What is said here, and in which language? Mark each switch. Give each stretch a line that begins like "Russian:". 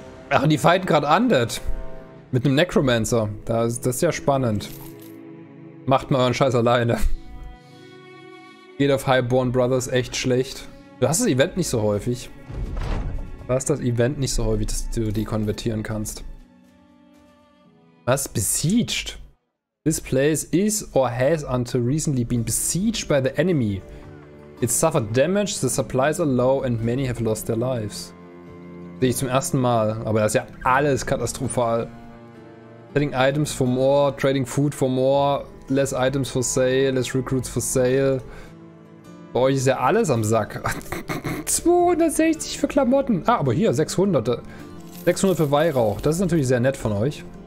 German: Ach, und die fighten gerade Undead. Mit einem Necromancer. Das ist ja spannend. Macht mal euren Scheiß alleine. Geht auf Highborn Brothers echt schlecht. Du hast das Event nicht so häufig. Du hast das Event nicht so häufig, dass du die konvertieren kannst. Was? Besieged?
English: This place is or has until recently been besieged by the enemy. It suffered damage, the supplies are low and many have lost their lives.
German: Sehe ich zum ersten Mal, aber das ist ja alles katastrophal.
English: Selling items for more, trading food for more, less items for sale, less recruits for sale.
German: Bei euch ist ja alles am Sack. 260 für Klamotten. Ah, aber hier, 600. 600 für Weihrauch. Das ist natürlich sehr nett von euch.